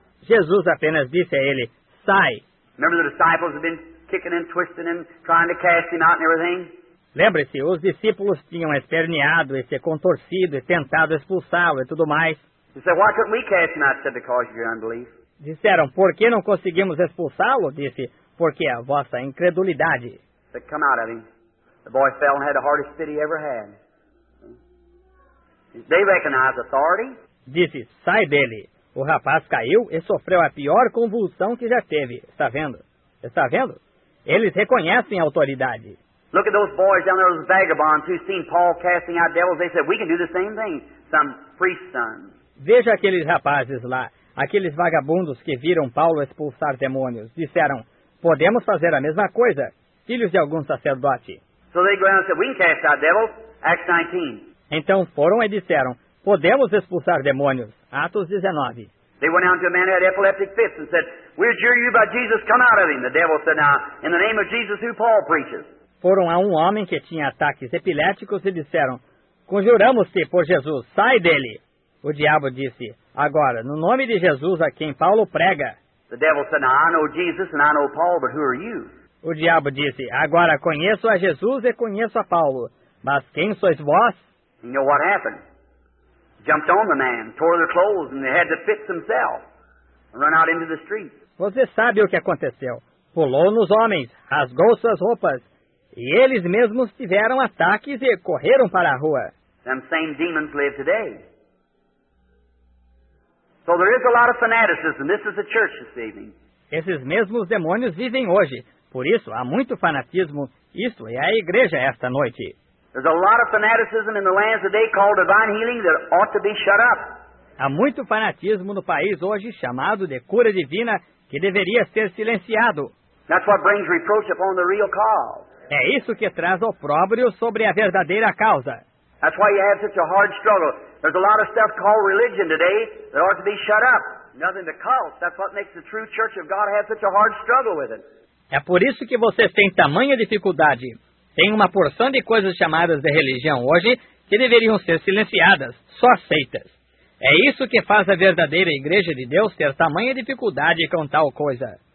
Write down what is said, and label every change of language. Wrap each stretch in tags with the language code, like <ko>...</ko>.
<pt>Jesus apenas disse a ele, sai.</pt> <en>Remember the disciples have been kicking and twisting and trying to cast him out and everything?</en> <pt>Lembre-se, os discípulos tinham esperneado e se contorcido e tentado expulsá-lo e tudo mais.</pt> <en>He said, why couldn't we cast him out? Said, because of your unbelief.</en> <pt>Disseram, por que não conseguimos expulsá-lo? Disse, porque a vossa incredulidade.</pt> <en>He said, come out of him. The boy fell and had the hardest fit he ever had. They recognize authority.</en> <pt>Disse, sai dele. O rapaz caiu e sofreu a pior convulsão que já teve. Está vendo? Está vendo? Eles reconhecem a autoridade.</pt> <en>Look at those boys down there, those vagabonds who seen Paul casting out devils. They said, we can do the same thing. Some priest's sons.</en> <pt>Veja aqueles rapazes lá. Aqueles vagabundos que viram Paulo expulsar demônios. Disseram, podemos fazer a mesma coisa. Filhos de algum sacerdote.</pt> <en>So they go out and said, we can cast out devils, Acts 19.</en> <pt>Então foram e disseram, podemos expulsar demônios, Atos 19.</pt> <en>They went out to a man who had epileptic fits and said, we adjure you by Jesus, come out of him. The devil said, now, in the name of Jesus, who Paul preaches.</en> <pt>Foram a um homem que tinha ataques epiléticos e disseram, conjuramos-te por Jesus, sai dele. O diabo disse, agora, no nome de Jesus a quem Paulo prega.</pt> <en>The devil said, now, I know Jesus and I know Paul, but who are you?</en> <pt>O diabo disse, agora conheço a Jesus e conheço a Paulo, mas quem sois vós?</pt> <en>You know what happened? Jumped on the man, tore their clothes, and they had to fit themselves, and run out into the street.</en> <pt>Você sabe o que aconteceu. Pulou nos homens, rasgou suas roupas, e eles mesmos tiveram ataques e correram para a rua.</pt> <en>Them same demons live today. So there is a lot of fanaticism. This is the church this evening.</en> <pt>Esses mesmos demônios vivem hoje. Por isso, há muito fanatismo. Isto é a igreja esta noite.</pt> <en>There's a lot of fanaticism in the lands today called divine healing that ought to be shut up.</en> <pt>Há muito fanatismo no país hoje chamado de cura divina que deveria ser silenciado.</pt> <en>That's what brings reproach upon the real cause.</en> <pt>É isso que traz opróbrio sobre a verdadeira causa.</pt> <en>That's why you have such a hard struggle. There's a lot of stuff called religion today that ought to be shut up. Nothing to cult. That's what makes the true church of God have such a hard struggle with it.</en> <pt>É por isso que vocês têm tamanha dificuldade. Tem uma porção de coisas chamadas de religião hoje que deveriam ser silenciadas, só aceitas. É isso que faz a verdadeira igreja de Deus ter tamanha dificuldade com tal coisa.</pt>